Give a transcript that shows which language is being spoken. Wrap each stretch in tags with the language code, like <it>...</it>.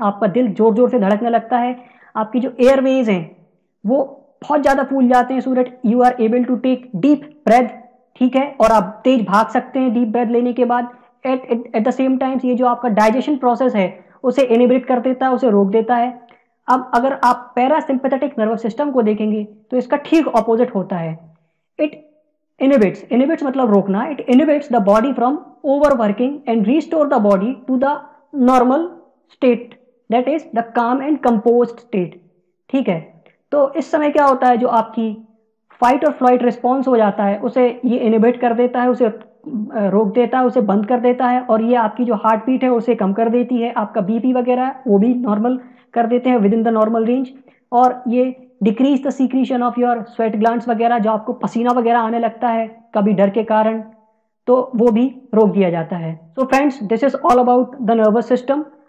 <hi>आपका दिल जोर जोर से धड़कने लगता है। आपकी जो एयर वेज हैं, वो बहुत ज़्यादा फूल जाते हैं।</hi> <en>so that you are able to take deep breath,</en> <hi>ठीक है, और आप तेज भाग सकते हैं डीप ब्रेथ लेने के बाद।</hi> <en>at the same times,</en> <hi>ये जो आपका डाइजेशन प्रोसेस है, उसे इनिबिट कर देता है, उसे रोक देता है। अब अगर आप पैरासिंपेथेटिक नर्वस सिस्टम को देखेंगे, तो इसका ठीक ऑपोजिट होता है। It Inhibits. Inhibits मतलब रोकना.</hi> <en>It inhibits the body from overworking and restore the body to the normal state. That is the calm and composed state.</en> <hi>ठीक है. तो इस समय क्या होता है, जो आपकी फाइट और फ्लाइट रिस्पॉन्स हो जाता है उसे ये इनिबिट कर देता है, उसे रोक देता है, उसे बंद कर देता है, और ये आपकी जो हार्ट बीट है उसे कम कर देती है, आपका बीपी वगैरह वो भी नॉर्मल कर देते हैं</hi> <en>within the normal range,</en> <hi>और ये</hi> <en>decreases the secretion of your sweat glands</en> <hi>वगैरह, जो आपको पसीना वगैरह आने लगता है कभी डर के कारण, तो वो भी रोक दिया जाता है.</hi> <en>So friends, this is all about the nervous system.</en>